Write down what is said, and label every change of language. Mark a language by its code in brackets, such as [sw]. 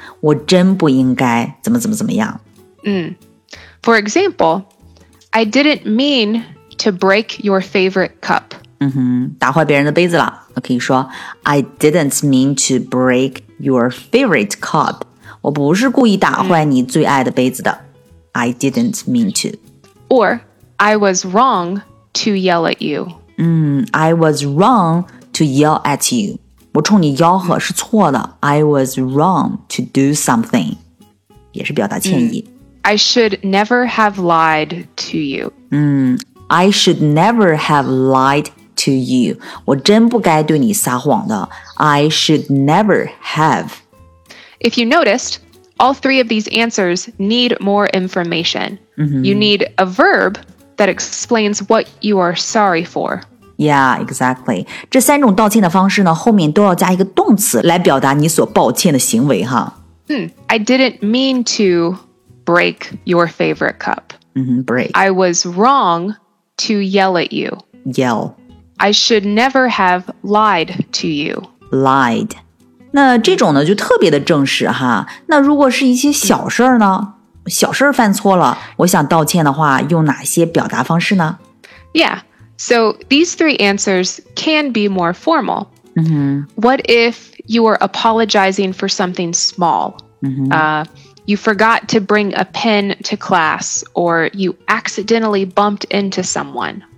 [zh] 我真不应该怎么怎么怎么样。 [en] For example, I didn't mean to break your favorite cup. [zh] 打坏别人的杯子了。那可以说 [en] I didn't mean to break your favorite cup. [zh] 我不是故意打坏你最爱的杯子的。 [en] I didn't mean to. Or, I was wrong to yell at you. I was wrong to yell at you. [zh] 我冲你吆喝是错的。 [en] I was wrong to do something. [zh] 也是表达歉意。 [en] I should never have lied to you. I should never have lied to you. [zh] 我真不该对你撒谎的。 [en] I should never have. If you noticed... All three of these answers need more information.、You need a verb that explains what you are sorry for. Yeah, exactly. [zh] 这三种道歉的方式呢，后面都要加一个动词来表达你所抱歉的行为哈。 [en] I didn't mean to break your favorite cup. Break. I was wrong to yell at you. Yell. I should never have lied to you. Lied. [zh] 那这种呢就特别的正式哈。那如果是一些小事呢小事犯错了我想道歉的话用哪些表达方式呢 [en] Yeah, so these three answers can be more formal.、What if you are apologizing for something small?、You forgot to bring a pen to class or you accidentally bumped into someone.